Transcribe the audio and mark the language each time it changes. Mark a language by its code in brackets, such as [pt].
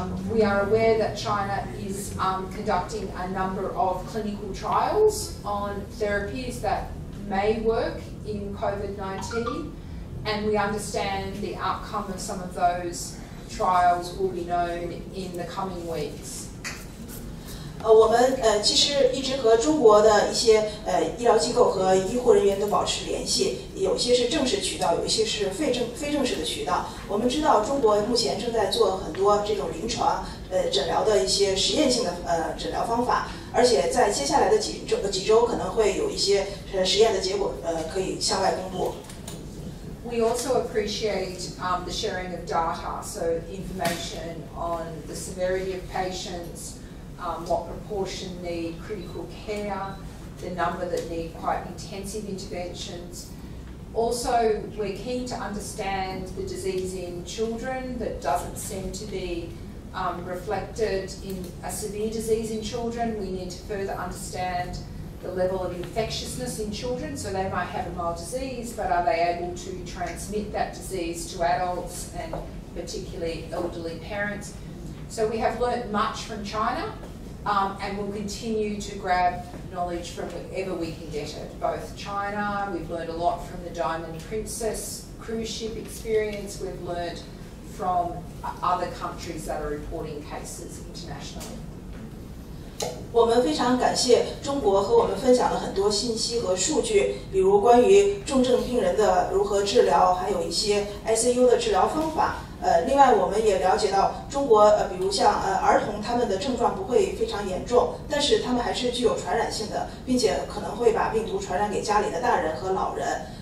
[en] We are aware that China is conducting a number of clinical trials on therapies that may work in COVID-19, and we understand the outcome of some of those trials will be known in the coming weeks. [zh] 我们其实一直和中国的一些医疗机构和医护人员都保持联系，有些是正式渠道，有一些是非正式的渠道。我们知道中国目前正在做很多这种临床诊疗的一些实验性的诊疗方法，而且在接下来的几周可能会有一些实验的结果可以向外公布。 [en] We also appreciate the sharing of data, so information on the severity of patients. What proportion need critical care, the number that need quite intensive interventions. Also, we're keen to understand the disease in children that doesn't seem to be reflected in a severe disease in children. We need to further understand the level of infectiousness in children. So they might have a mild disease, but are they able to transmit that disease to adults and particularly elderly parents? So we have learnt much from China. And we'll continue to grab knowledge from wherever we can get it. Both China, we've learned a lot from the Diamond Princess cruise ship experience. We've learned from other countries that are reporting cases internationally. [zh] 我们非常感谢中国和我们分享了很多信息和数据，比如关于重症病人的如何治疗，还有一些 ICU 的治疗方法。另外我们也了解到中国比如像儿童他们的症状不会非常严重，但是他们还是具有传染性的，并且可能会把病毒传染给家里的大人和老人。